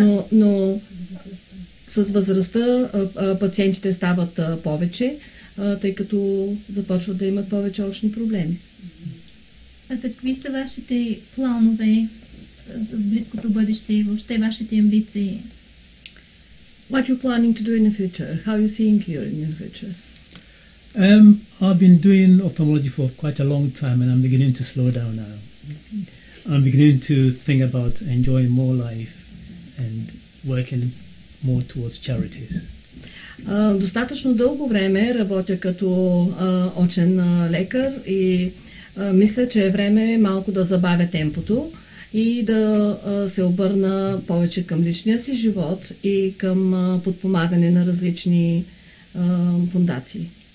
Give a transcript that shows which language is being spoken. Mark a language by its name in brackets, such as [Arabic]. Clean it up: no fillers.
[Bulgarian] Но с възрастта пациентите стават повече, тъй като започват да имат повече очни проблеми. А какви са вашите планове за близкото бъдеще и въобще вашите амбиции? [English] What you planning to do in the future? How you think you're in the future? I've been doing ophthalmology for quite a long time and I'm beginning to slow down now. I'm beginning to think about enjoying more life and working more towards charities. [Bulgarian] Достатъчно дълго време работя като очен лекар и мисля, че е време малко да забавя темпото и да се обърна повече към личния си живот и към подпомагане на различни фондации.